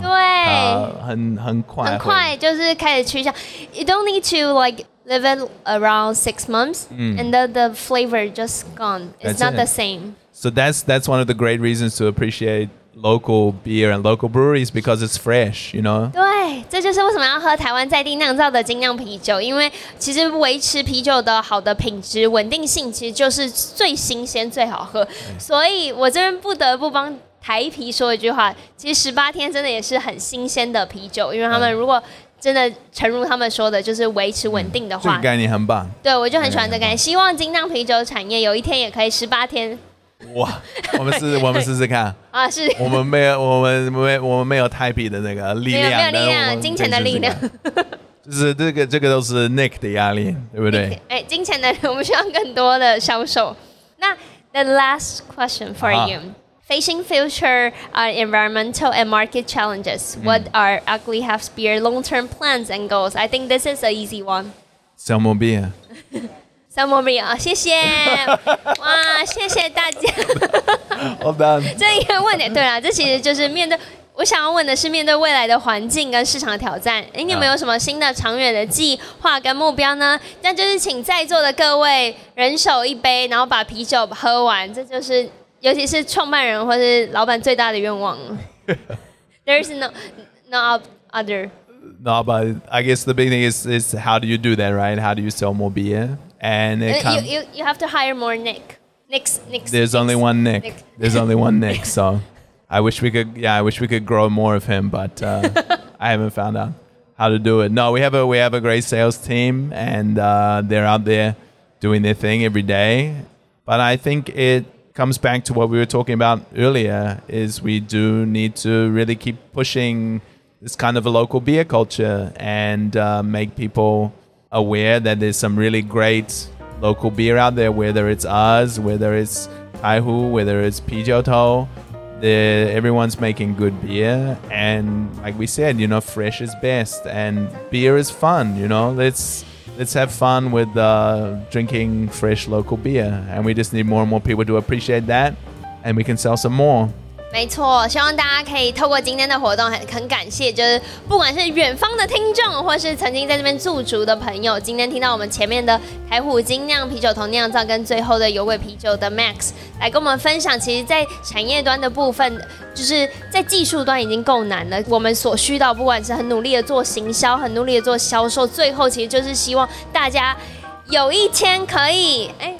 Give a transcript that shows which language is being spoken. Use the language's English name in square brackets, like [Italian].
[Chinese] 对，很快就是开始趋向。 [English] You don't need to like live it around 6 months,、嗯、 and the flavor just gone. It's not the same. So that's one of the great reasons to appreciate local beer and local breweries because it's fresh. You know. [Chinese] 对，这就是为什么要喝台湾在地酿造的精酿啤酒，因为其实维持啤酒的好的品质稳定性，其实就是最新鲜最好喝。所以我这边不得不帮台啤说一句话，其实18天真的也是很新鲜的啤酒，因为他们如果真的诚如他们说的，就是维持稳定的话、嗯，这个概念很棒。对，我就很喜欢这个概念，希望精酿啤酒产业有一天也可以18天。哇，我们试试看啊！是我们没有台币的那个力量，没有力量，金钱的力量，就是这个都是 Nick 的压力，对不对？哎，金钱的，我们需要更多的销售。 [English] 那 the last question for you:、facing future environmental and market challenges,、嗯、what are Ugly Half Beer long-term plans and goals? I think this is an easy one. Sell more beer. Sell more beer. [Chinese] 谢谢。哇，谢谢大家。 [English] Well done. [Chinese] 这一个问题，对啦，这其实就是面对，我想要问的是面对未来的环境跟市场的挑战，你有没有什么新的长远的计划跟目标呢？那就是请在座的各位人手一杯，然后把啤酒喝完，这就是尤其是创办人或是老板最大的愿望。 [English] There's no other. No, but I guess the big thing is how do you do that, right? How do you sell more beer? And you have to hire more Nick. There's only one Nick. There's only one Nick. So I wish we could grow more of him, but I haven't found out how to do it. No, we have a great sales team, and they're out there doing their thing every day. But I think it comes back to what we were talking about earlier, is we do need to really keep pushing this kind of a local beer culture and make people... aware that there's some really great local beer out there, whether it's us, whether it's Taihu, whether it's Pijotou, everyone's making good beer. And like we said, you know, fresh is best and beer is fun, you know, let's have fun with drinking fresh local beer. And we just need more and more people to appreciate that and we can sell some more. [Chinese] 没错，希望大家可以透过今天的活动很感谢，就是不管是远方的听众或是曾经在这边驻足的朋友，今天听到我们前面的台虎精酿啤酒桶酿造跟最后的有鬼啤酒的 Max 来跟我们分享，其实在产业端的部分，就是在技术端已经够难了，我们所需到不管是很努力的做行销，很努力的做销售，最后其实就是希望大家有一天可以